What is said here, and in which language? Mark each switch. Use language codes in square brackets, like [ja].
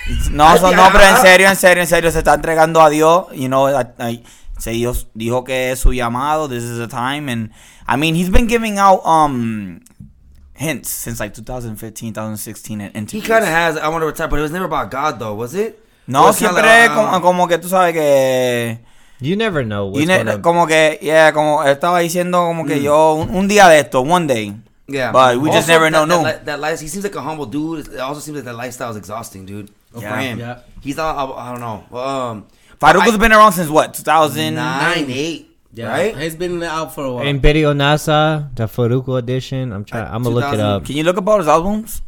[es] No, pero en serio se está entregando a Dios. [en] You know, [es] Dios dijo que es su llamado. [en] This is the time, and I mean, he's been giving out hints since like 2015, 2016, and interviews. He kind of has. I want to retire, but it was never about God, though, was it? [es] No, siempre como que tú sabes que. [en] You never know what's going to... [es] Como que, como estaba diciendo como que yo, un día de esto, [en] one day. Yeah. But we also, just never know. He seems like a humble dude. It also seems like that lifestyle is exhausting, dude. Yeah. Him. Yeah. He's all, I don't know. Farruko's been around since what, 2009, 8? Yeah. Right? He's been out for a while. And Betty Onasa, the Farruko edition. I'm gonna look it up. Can you look up all his albums?